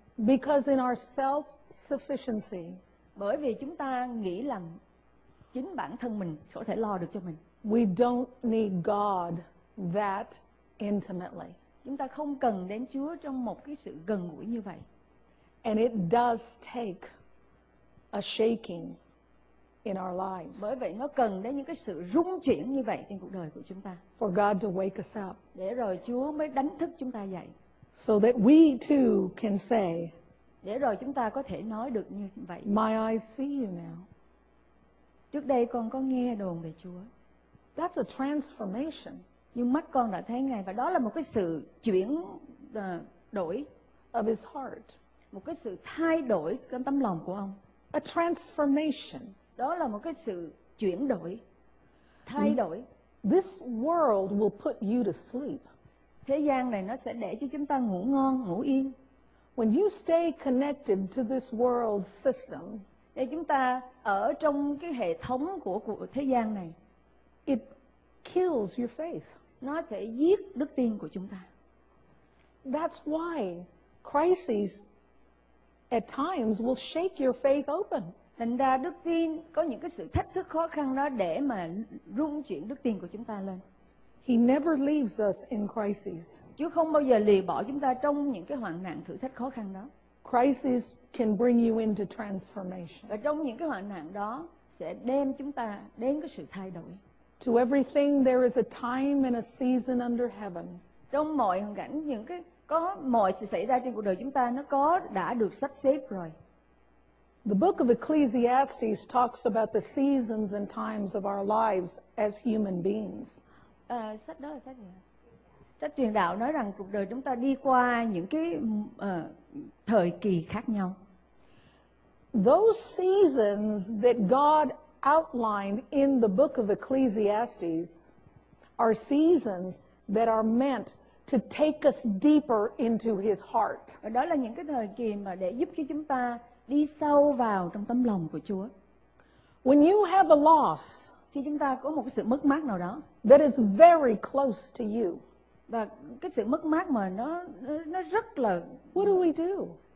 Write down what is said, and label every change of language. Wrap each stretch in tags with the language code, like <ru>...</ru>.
<en>Because in our self-sufficiency.</en> <vi>Bởi vì chúng ta nghĩ rằng chính bản thân mình có thể lo được cho mình.</vi> <en>We don't need God that intimately.</en> <vi>Chúng ta không cần đến Chúa trong một cái sự gần gũi như vậy.</vi> <en>And it does take a shaking in our lives.</en> <vi>Bởi vậy nó cần đến những cái sự rung chuyển như vậy trong cuộc đời của chúng ta.</vi> <en>For God to wake us up.</en> <vi>Để rồi Chúa mới đánh thức chúng ta dậy.</vi> <en>So that we too can say.</en> <vi>Để rồi chúng ta có thể nói được như vậy.</vi> <en>My eyes see you now.</en> <vi>Trước đây con có nghe đồn về Chúa.</vi> <en>That's a transformation.</en> <vi>Nhưng mắt con đã thấy Ngài và đó là một cái sự chuyển đổi</vi> <en>of his heart.</en> <vi>Một cái sự thay đổi trong tâm lòng của ông.</vi> <en>A transformation.</en> <vi>Đó là một cái sự chuyển đổi. Thay đổi.</vi> <en>This world will put you to sleep.</en> <vi>Thế gian này nó sẽ để cho chúng ta ngủ ngon, ngủ yên.</vi> <en>When you stay connected to this world system,</en> <vi>để chúng ta ở trong cái hệ thống của thế gian này,</vi> <en>it kills your faith.</en> <vi>Nó sẽ giết đức tin của chúng ta.</vi> <en>That's why crises at times will shake your faith open.</en> <vi>Thành ra đức tin có những cái sự thách thức khó khăn đó để mà rung chuyển đức tin của chúng ta lên.</vi> <en>He never leaves us in crises.</en> <vi>Chúa không bao giờ lìa bỏ chúng ta trong những cái hoạn nạn thử thách khó khăn đó.</vi> <en>Crises can bring you into transformation.</en> <vi>Và trong những cái hoạn nạn đó sẽ đem chúng ta đến cái sự thay đổi.</vi> <en>To everything there is a time and a season under heaven.</en> <vi>Trong mọi hoàn cảnh những cái có mọi sự xảy ra trên cuộc đời chúng ta nó có đã được sắp xếp rồi.</vi> <en>The book of Ecclesiastes talks about the seasons and times of our lives as human beings.</en> <vi>Sách đó là sách gì? Sách Truyền Đạo nói rằng cuộc đời chúng ta đi qua những cái thời kỳ khác nhau.</vi> <en>Those seasons that God outlined in the book of Ecclesiastes are seasons that are meant to take us deeper into His heart.</en> <vi>Đó là những cái thời kỳ mà để giúp cho chúng ta đi sâu vào trong tấm lòng của Chúa.</vi> <en>When you have a loss,</en> <vi>khi chúng ta có một sự mất mát nào đó,</vi> <en>that is very close to you,</en> <vi>và cái sự mất mát mà nó rất là,</vi> <en>what do we do?</en>